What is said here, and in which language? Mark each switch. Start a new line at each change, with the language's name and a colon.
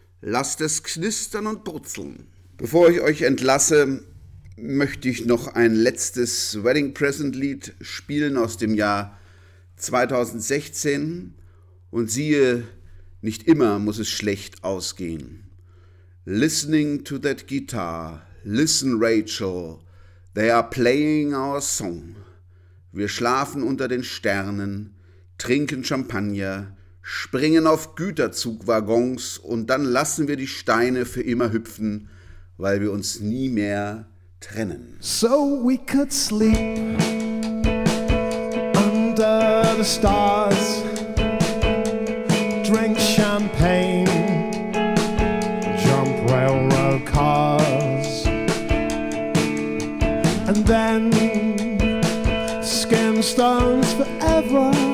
German: Lasst es knistern und brutzeln. Bevor ich euch entlasse, möchte ich noch ein letztes Wedding Present Lied spielen aus dem Jahr 2016. Und siehe, nicht immer muss es schlecht ausgehen.
English: Listening to that guitar, listen Rachel, they are playing our song.
German: Wir schlafen unter den Sternen, trinken Champagner, springen auf Güterzugwaggons und dann lassen wir die Steine für immer hüpfen, weil wir uns nie mehr trennen.
English: So we could sleep under the stars, drink champagne, jump railroad cars, and then skim stones forever.